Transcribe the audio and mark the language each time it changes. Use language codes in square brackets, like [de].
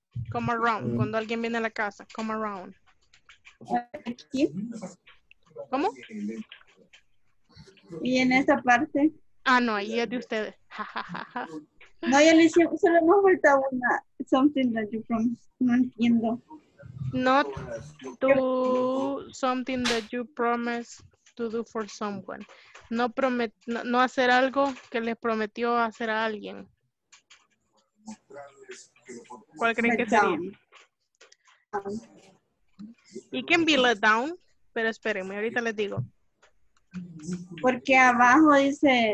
[en] Come around, [es] cuando alguien viene a la casa. [en] Come around. [es] Aquí. ¿Cómo? Y en esta parte. Ah, no, ahí es de ustedes. No, ya le hicimos, solo hemos vuelto a una. [en] Something that you promised. [es] No entiendo. [en] Not to something that you promise to do for someone. [es] No hacer algo que les prometió hacer a alguien. ¿Cuál creen que sería? [en] It can be let down, [es] pero espérenme, ahorita les digo. Porque abajo dice...